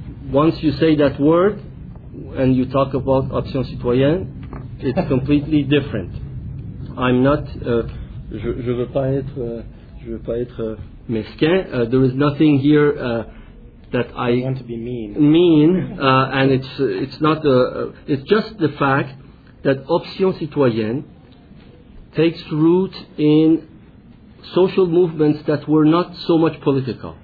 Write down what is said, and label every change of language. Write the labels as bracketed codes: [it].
[en] Once you say that word and you talk about option citoyenne, it's completely different. I'm not, [fr] je veux pas être mesquin. [en] There is nothing here that I want to be mean. And it's not, it's just the fact that option citoyenne takes root in social movements that were not so much political.